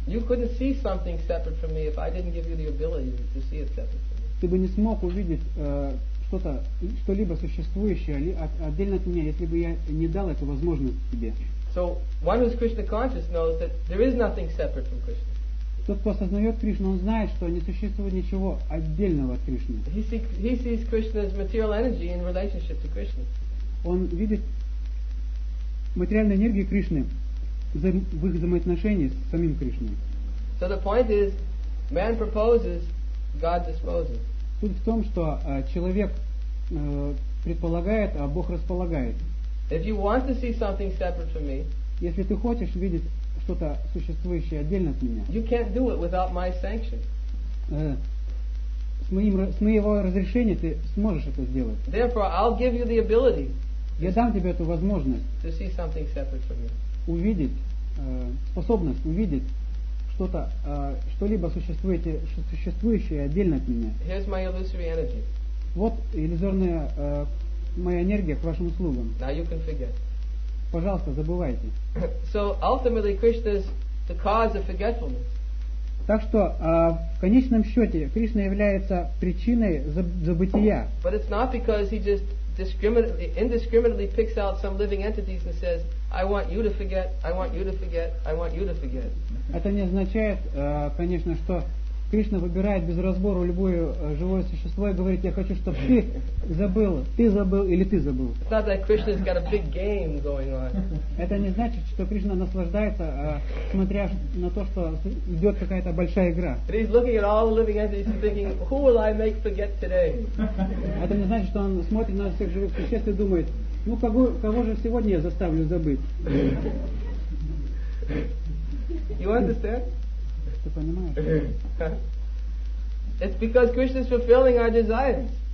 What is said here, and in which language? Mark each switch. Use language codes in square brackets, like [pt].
[en] You couldn't see something separate from me if I didn't give you the ability to see it separate from me. [ru] Ты бы не смог увидеть что-то, что-либо существующее отдельно от меня, если бы я не дал эту возможность тебе. [en] So one who is Krishna conscious knows that there is nothing separate from Krishna. [ru] Тот, кто осознает Кришну, он знает, что не существует ничего отдельного от Кришны. [en] He sees Krishna's material energy in relationship to Krishna. [ru] Он видит материальную энергию Кришны в их взаимоотношении с самим Кришной. [en] So the point is, man proposes, God disposes. [ru] Суть в том, что человек предполагает, а Бог располагает. [en] If you want to see something separate from me, [ru] если ты хочешь видеть что-то существующее отдельно от меня, [en] you can't do it without my sanction. [ru] С моего разрешения ты сможешь это сделать. [en] Therefore, I'll give you the ability. [ru] Я дам тебе эту возможность [en] to see something separate from me. [ru] Увидеть, способность увидеть что-то, что-либо существующее отдельно от меня. [en] Here's my illusory energy. [ru] Вот иллюзорная моя энергия к вашим услугам. [en] Now you can forget. [ru] Пожалуйста, забывайте. [en] So ultimately Krishna is the cause of forgetfulness. [ru] Так что в конечном счете Кришна является причиной забытия. [en] But it's not because he just indiscriminately picks out some living entities and says, I want you to forget, I want you to forget, I want you to forget. [ru] Это не означает, конечно, что Кришна выбирает без разбора любое живое существо и говорит, я хочу, чтобы ты забыл или ты забыл. [en] It's not that Krishna's got a big game going on. [ru] Это не значит, что Кришна наслаждается, смотря на то, что идет какая-то большая игра. [en] He's looking at all the living entities and thinking, who will I make forget today? [ru] Это не значит, что он смотрит на всех живых существ и думает, ну кого же сегодня я заставлю забыть? [en] You understand? [ru] Понимаешь? [en] It's because Krishna is fulfilling our desires.